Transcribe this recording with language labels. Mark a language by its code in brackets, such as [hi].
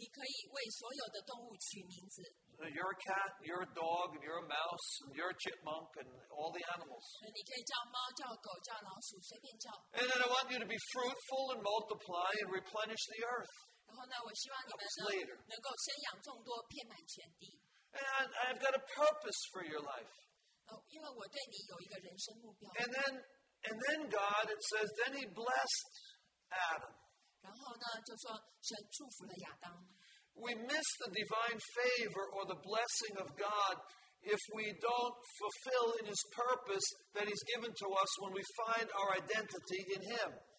[zh] 然后呢，这也是我让你做的事。你可以为所有的动物取名字。 [en] You're a cat, you're a dog, and you're a mouse, and you're a chipmunk, and all the animals. [zh] 你可以叫猫、叫狗、叫老鼠，随便叫。 [en] And then I want you to be fruitful and multiply and replenish the earth. [zh] 然后呢，我希望你们能够生养众多，遍满全地。 [en] And I've got a purpose for your life. [zh] 因为我对你有一个人生目标。 [en] And then God, it says, then he blessed Adam. [zh] 然后呢，就说神祝福了亚当。 [en] We miss the divine favor or the blessing of God if we don't fulfill in His purpose that He's given to us when we find our identity in Him.